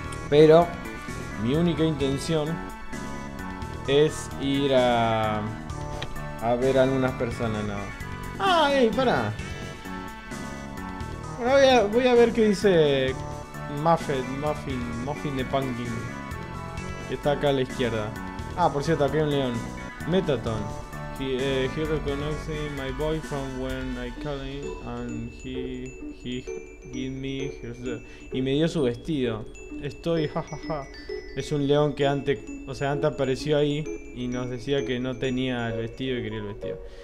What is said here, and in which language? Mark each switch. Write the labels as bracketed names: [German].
[Spanish] Pero mi única intención es ir a ver a algunas personas, ¿no? ¡Ah, ey, para! Bueno, voy a ver qué dice Muffin de Pumpkin, que está acá a la izquierda. Ah, por cierto, aquí hay un león. Metaton. [English] He recognized my boy from when I called him and he gave me his... [Spanish] Y me dio su vestido. Estoy jajaja. Es un león que antes apareció ahí y nos decía que no tenía el vestido y quería el vestido.